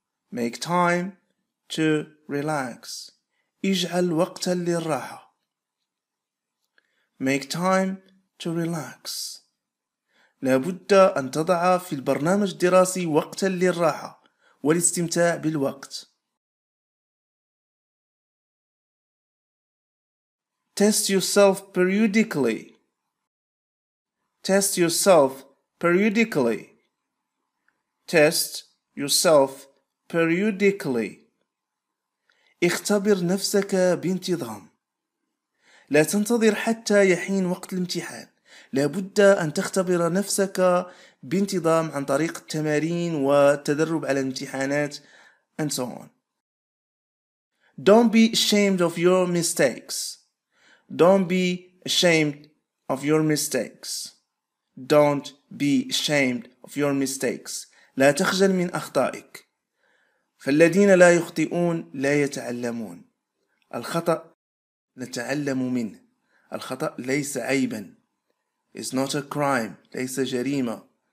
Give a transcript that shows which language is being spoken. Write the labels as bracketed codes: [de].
[en] Make time to relax. [ar] اجعل وقتا للراحة. [en] Make time to relax. [ar] لابد أن تضع في البرنامج الدراسي وقتا للراحة والاستمتاع بالوقت. [en] Test yourself periodically. Test yourself periodically. Test yourself periodically. [ar] اختبر نفسك بانتظام. لا تنتظر حتى يحين وقت الامتحان. لابد أن تختبر نفسك بانتظام عن طريق التمارين والتدرب على الامتحانات [en] and so on. Don't be ashamed of your mistakes. Don't be ashamed of your mistakes. Don't be ashamed of your mistakes. [ar] لا تخجل من أخطائك. فالذين لا يخطئون لا يتعلمون. الخطأ نتعلم منه. الخطأ ليس عيبا. [en] It's not a crime. [ar] ليس جريمة.